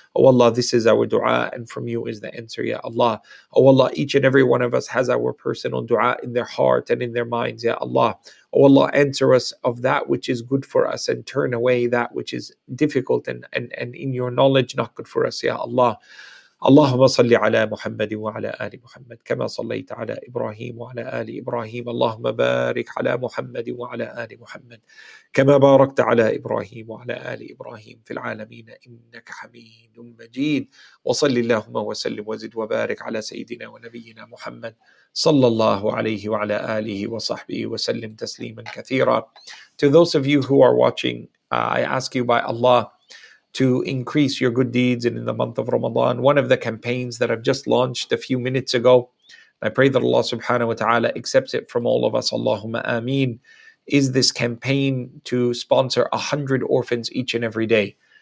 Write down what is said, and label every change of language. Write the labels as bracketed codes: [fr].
[en] O Allah, this is our dua and from you is the answer, ya Allah. O Allah, each and every one of us has our personal dua in their heart and in their minds, ya Allah. O Allah, answer us of that which is good for us and turn away that which is difficult and in your knowledge not good for us, ya Allah. [ar] اللهم صل على محمد وعلى آل محمد كما صليت على إبراهيم وعلى آل إبراهيم اللهم بارك على محمد وعلى آل محمد كما باركت على إبراهيم وعلى آل إبراهيم في العالمين إنك حميد مجيد وصل اللهم وسلم وزد وبارك على سيدنا ونبينا محمد صلى الله عليه وعلى آله وصحبه وسلم تسليما كثيرا. [en] To those of you who are watching, I ask you by Allah to increase your good deeds and in the month of Ramadan. One of the campaigns that I've just launched a few minutes ago, I pray that Allah subhanahu wa ta'ala accepts it from all of us, Allahumma ameen, is this campaign to sponsor 100 orphans each and every day.